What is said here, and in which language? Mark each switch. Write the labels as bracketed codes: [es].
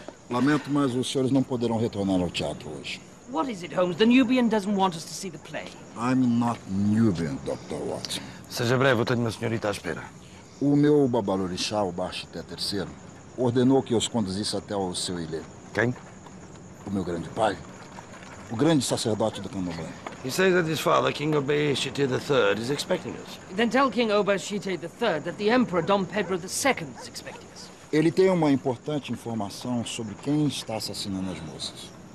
[pt] Lamento, mas os senhores não poderão retornar ao teatro hoje. [en] What is it, Holmes? The Nubian doesn't want us to see the play. I'm not Nubian, Dr. Watson. [pt] Seja breve, eu tenho uma senhorita à espera. O meu babalorixá, o baixo Té III, ordenou que eu os conduzisse até o seu ilê. Quem? O meu grande pai. O grande sacerdote do Candomblé. [en] He says that his father, King Obeishite III, is expecting us. Then tell King Obeishite III that the Emperor Dom Pedro II is expecting us. [pt] Ele tem uma importante informação sobre quem está assassinando as moças.